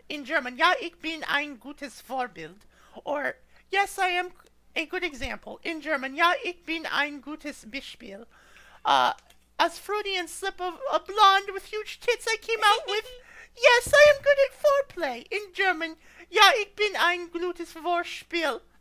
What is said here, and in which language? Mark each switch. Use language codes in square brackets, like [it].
[en] In German, [de] ja, ich bin ein gutes Vorbild. [en] Or, yes, I am a good example. In German, [de] ja, ich bin ein gutes Beispiel. [en] As fruity and slip of a blonde with huge tits I came out with, yes, I am good at foreplay. In German, [de] ja, ich bin ein gutes Vorspiel.